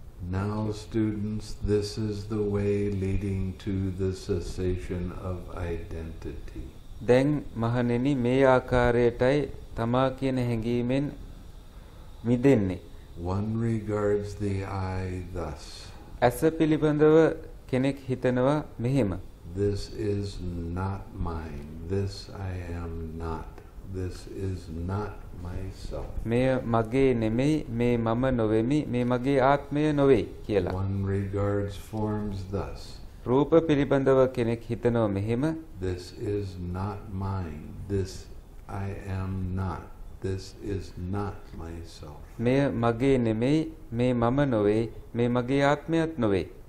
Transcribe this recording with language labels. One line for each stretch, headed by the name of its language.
English: Now students this is the way leading to the cessation of identity
Sinhala: දැන් මහණෙනි මේ ආකාරයටයි තමා කියන හැඟීමෙන් මිදෙන්නේ
English: one regards the I thus
Sinhala: ඇස පිළිබඳව කෙනෙක් හිතනවා මෙහෙම
English: this is not mine this I am not this is not myself
Sinhala: මෙය මගේ නෙමෙයි මේ මම නොවේමි මේ මගේ ආත්මය නොවේ කියලා
English: one regards forms thus
Sinhala: රූප පිළිබඳව කෙනෙක් හිතනවා මෙහෙම
English: this is not mine this I am not this is not myself
Sinhala: මෙය මගේ නෙමෙයි මේ මම නොවේ මේ මගේ ආත්මයත් නොවේ